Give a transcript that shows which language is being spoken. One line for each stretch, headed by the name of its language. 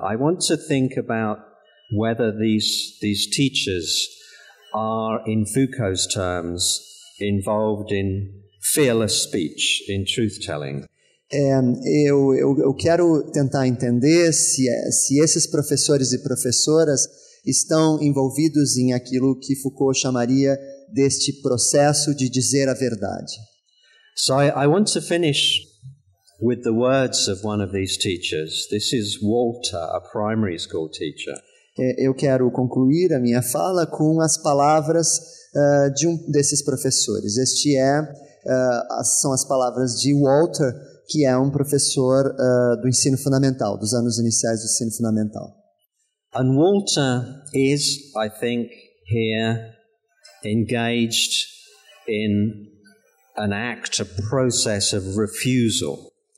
English: I want to think about whether these teachers are, in Foucault's terms, involved in fearless speech, in truth-telling.
Portuguese: Eu quero tentar entender se esses professores e professoras estão envolvidos em aquilo que Foucault chamaria deste processo de dizer a verdade.
English: So I want to finish with the words of one of these teachers. This is Walter, a primary school teacher.
Portuguese: Eu quero concluir a minha fala com as palavras de um desses professores. Este é, são as palavras de Walter, que é um professor do ensino fundamental, dos anos iniciais do ensino fundamental.
English: And Walter is, I think, here engaged in an act, a process of refusal.